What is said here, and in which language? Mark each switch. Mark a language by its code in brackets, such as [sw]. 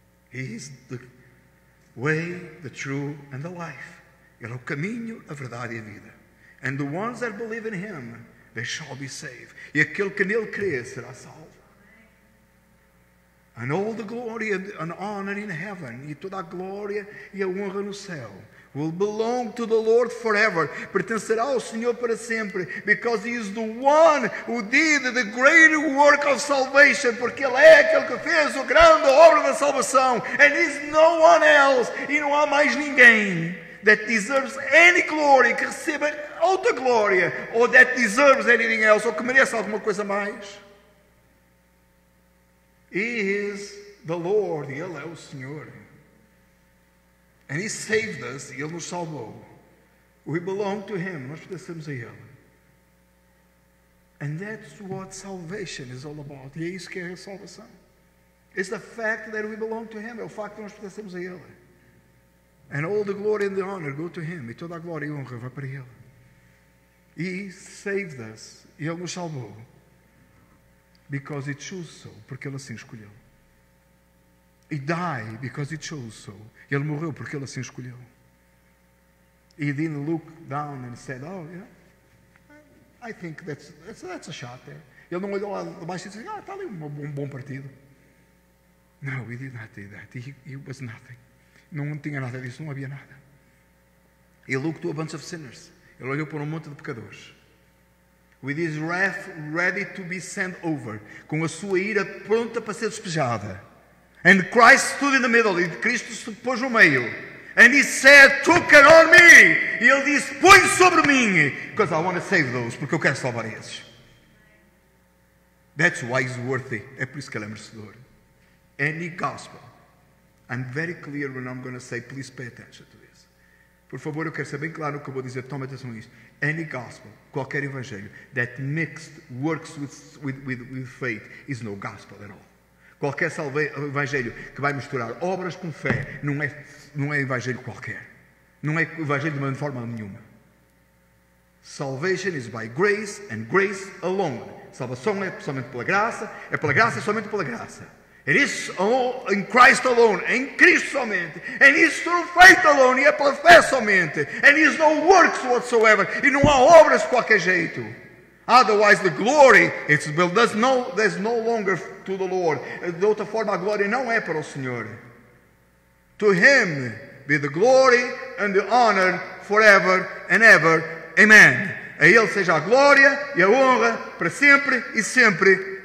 [en] He is the way, the truth, and the life. [pt] Ele é o caminho, a verdade e a vida. [en] And the ones that believe in him, they shall be saved. [pt] E aquele que nele crê será salvo. [en] And all the glory and honor in heaven, [pt] e toda a glória e a honra no céu, [en] will belong to the Lord forever. [pt] Pertencerá ao Senhor para sempre. [en] Because he is the one who did the great work of salvation. [pt] Porque ele é aquele que fez a grande obra da salvação. [en] And he is no one else. [pt] E não há mais ninguém [en] that deserves any glory. [pt] Que receba outra glória. [en] Or that deserves anything else. [pt] Ou que mereça alguma coisa mais. [en] He is the Lord. [pt] E ele é o Senhor. [en] And he saved us, [pt] e ele nos salvou. [en] We belong to him, [pt] nós pertencemos a ele. [en] And that's what salvation is all about. [pt] E é isso que é a salvação. [en] It's the fact that we belong to him, [pt] é o facto de nós pertencemos a ele. [en] And all the glory and the honor go to him, [pt] e toda a glória e honra vai para ele. [en] He saved us, [pt] e ele nos salvou. [en] Because he chose so, [pt] porque ele assim escolheu. [en] He died because he chose so. [pt] Ele morreu porque ele assim escolheu. [en] He didn't look down and said, oh, yeah, I think that's a shot there. [pt] Ele não olhou lá debaixo e disse, ah, está ali um bom partido. [en] No, he did not do that. He was nothing. [pt] Não tinha nada disso, não havia nada. [en] He looked to a bunch of sinners. [pt] Ele olhou para um monte de pecadores. [en] With his wrath ready to be sent over. [pt] Com a sua ira pronta para ser despejada. [en] And Christ stood in the middle. [pt] E Cristo se pôs no meio. [en] And he said, took it on me. [pt] E ele disse, põe sobre mim. [en] Because I want to save those. [pt] Porque eu quero salvar esses. That's why he's worthy. É por isso que ele é merecedor. [en] Any gospel. I'm very clear when I'm going to say, please pay attention to this. [pt] Por favor, eu quero ser bem claro no que eu vou dizer. Tome atenção nisso. [en] Any gospel, [pt] qualquer evangelho, [en] that mixed works with faith, is no gospel at all. [pt] Qualquer evangelho que vai misturar obras com fé não é evangelho qualquer. Não é evangelho de uma forma nenhuma. [en] Salvation is by grace and grace alone. [pt] Salvação é somente pela graça. É pela graça e somente pela graça. [en] It is all in Christ alone. [pt] É em Cristo somente. [en] And it's through faith alone. [pt] E é pela fé somente. [en] And it's no works whatsoever. [pt] E não há obras de qualquer jeito. [en] Otherwise, the glory it's built there's no longer to the Lord. [pt] De outra forma, a glória não é para o Senhor. [en] To him be the glory and the honor forever and ever. Amen. [pt] A ele seja a glória e a honra para sempre e sempre.